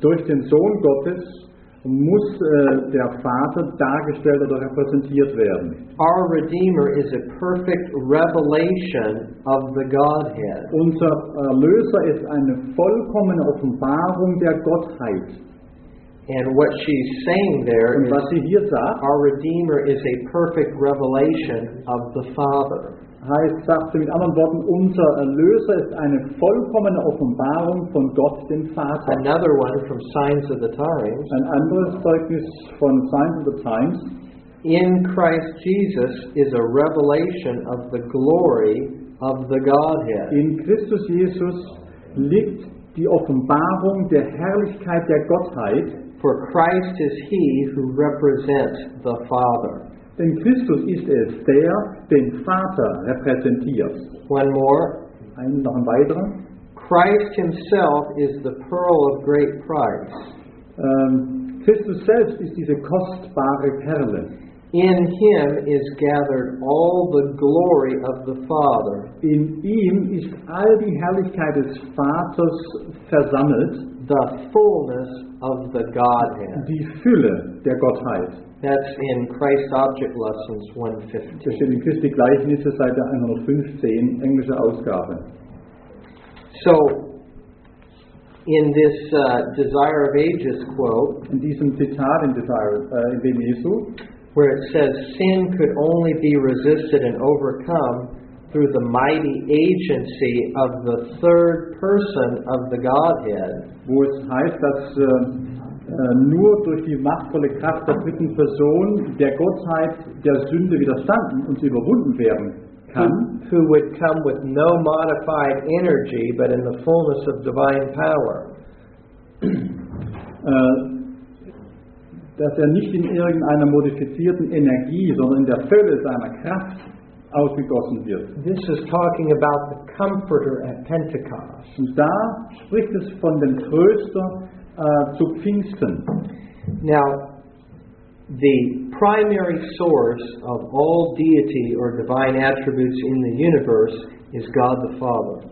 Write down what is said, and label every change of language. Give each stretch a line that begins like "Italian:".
German: Durch den Sohn Gottes muss der Vater dargestellt oder repräsentiert werden.
English: Our Redeemer is a perfect revelation of the Godhead.
German: Unser Erlöser ist eine vollkommene Offenbarung der Gottheit.
English: And what she's saying there
German: und was sie hier sagt,
English: is our Redeemer is a perfect revelation of the Father.
German: Heißt, sagt sie mit anderen Worten, unser Erlöser ist eine vollkommene Offenbarung von Gott, dem Vater.
English: Another one from Signs of the Times.
German: Ein anderes Zeugnis von Signs of the Times.
English: In Christ Jesus is a revelation of the glory of the Godhead.
German: In Christus Jesus liegt die Offenbarung der Herrlichkeit der Gottheit.
English: For Christ is he who represents the Father.
German: Denn Christus ist es, der den Vater repräsentiert.
English: One more.
German: Einen noch einen weiteren.
English: Christ himself is the pearl of great price.
German: Christus selbst ist diese kostbare Perle.
English: In him is gathered all the glory of the Father.
German: In ihm ist all die Herrlichkeit des Vaters versammelt.
English: The fullness of the Godhead.
German: Die Fülle der Gottheit.
English: That's in Christ Object Lessons 115.
German: Das steht in Christi Gleichnisse, Seite 115, englische Ausgabe.
English: So, in this Desire of Ages quote,
German: in diesem Zitat in dem Jesu,
English: where it says, sin could only be resisted and overcome through the mighty agency of the third person of the Godhead,
German: wo es heißt, dass nur durch die machtvolle Kraft der dritten Person der Gottheit der Sünde widerstanden und sie überwunden werden kann,
English: who would come with no modified energy but in the fullness of divine power,
German: dass er nicht in irgendeiner modifizierten Energie, sondern in der Fülle seiner Kraft ausgegossen wird.
English: This is talking about the Comforter at Pentecost.
German: Und da spricht es von dem Tröster zu Pfingsten.
English: Now, the primary source of all deity or divine attributes in the universe is God the Father.